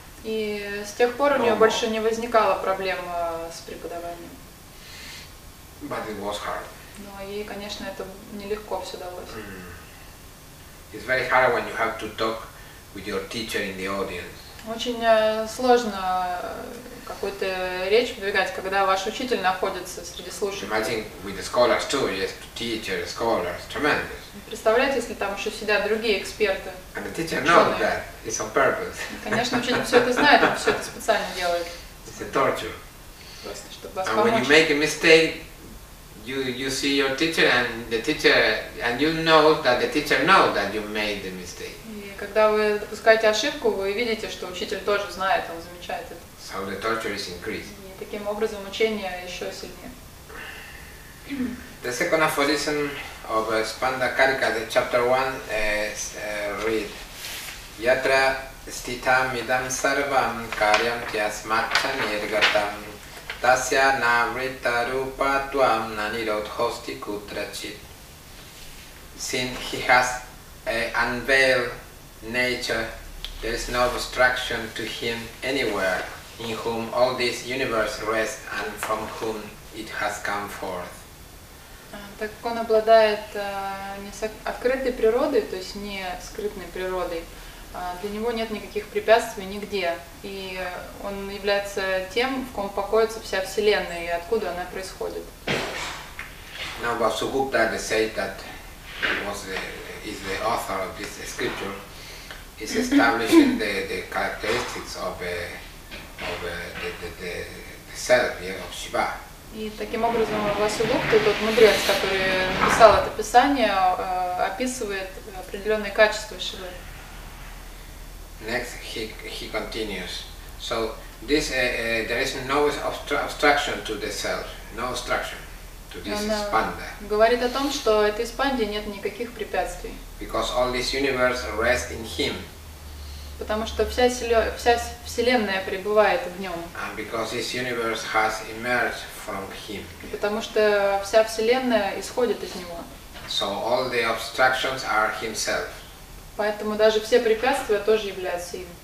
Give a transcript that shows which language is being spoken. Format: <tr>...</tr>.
<ru>И с тех пор у нее больше не возникало проблем с преподаванием.</ru> <en>But it was hard.</en> <ru>Но ей, конечно, это нелегко все далось.</ru> <en>It's very hard when you have to talk with your teacher in the audience.</en> <ru>Очень сложно какую-то речь выдвигать, когда ваш учитель находится среди слушателей.</ru> <en>Imagine with the scholars too, yes, teacher, scholars, tremendous.</en> <ru>Представляете, если там еще сидят другие эксперты.</ru> <en>And the teacher knows that. It's on purpose.</en> <ru>Конечно, учитель все это знает, он все это специально делает.</ru> <en>It's a torture.</en> <ru>Просто, чтобы вас помочь.</ru> <en>And when you make a mistake, you see your teacher and the teacher and you know that the teacher knows that you made the mistake.</en> <ru>Когда вы допускаете ошибку, вы видите, что учитель тоже знает, он замечает это.</ru> <en>So the torture is increased.</en> <ru>И таким образом мучение еще сильнее.</ru> <en>The second aphorism of Spandakarika, the chapter 1, read.</en> <sa>Yatra sthitam idam sarvam karyam tyasmatcha nirgatam tasya navritta rupa tvam nanirodhosti kutrachit.</sa> <en>Since he has unveiled nature, there is no obstruction to him anywhere, in whom all this universe rests and from whom it has come forth.</en> <ru>Так как он обладает не открытой природой, то есть не скрытной природой, для него нет никаких препятствий нигде. И он является тем, в ком покоится вся Вселенная, и откуда она происходит.</ru> <en>Now, Vasugupta, they say that was the, is the author of this scripture, is establishing the characteristics of the self, yeah, of Shiva.</en> <ru>И таким образом Васюгупта, тот мудрец, который написал это писание, описывает определенные качества Шивы.</ru> <en>Next, he continues. So this there is no obstruction to the self, no obstruction to this Spanda.</en> <ru>Говорит о том, что этой Спанде нет никаких препятствий.</ru> <en>Because all this universe rests in him.</en> <ru>Потому что вся Вселенная пребывает в нем.</ru> <en>And because this universe has emerged from him.</en> <ru>Потому что вся Вселенная исходит из него.</ru> <en>So all the obstructions are himself.</en> <ru>Поэтому даже все препятствия тоже являются им.</ru>